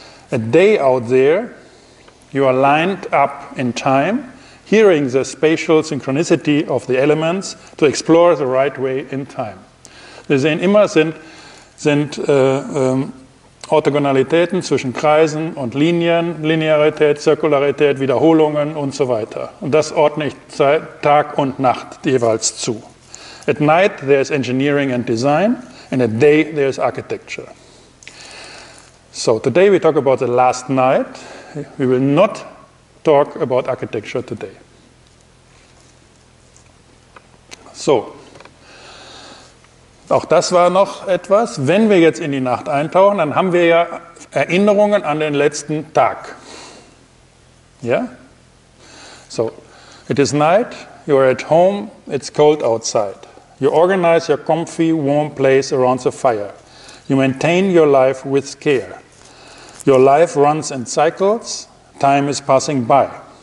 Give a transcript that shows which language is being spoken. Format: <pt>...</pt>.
<en>At day out there, you are lined up in time, hearing the spatial synchronicity of the elements, to explore the right way in time.</en> <de>Wir sehen immer, sind Orthogonalitäten zwischen Kreisen und Linien, Linearität, Zirkularität, Wiederholungen und so weiter. Und das ordne ich Tag und Nacht jeweils zu.</de> <en>At night there is engineering and design, and at day there is architecture. So today we talk about the last night. We will not talk about architecture today.</en> <de>So, auch das war noch etwas. Wenn wir jetzt in die Nacht eintauchen, dann haben wir ja Erinnerungen an den letzten Tag. Ja?</de> <en>So, it is night, you are at home, it's cold outside. You organize your comfy, warm place around the fire. You maintain your life with care. Your life runs in cycles, time is passing by.</en>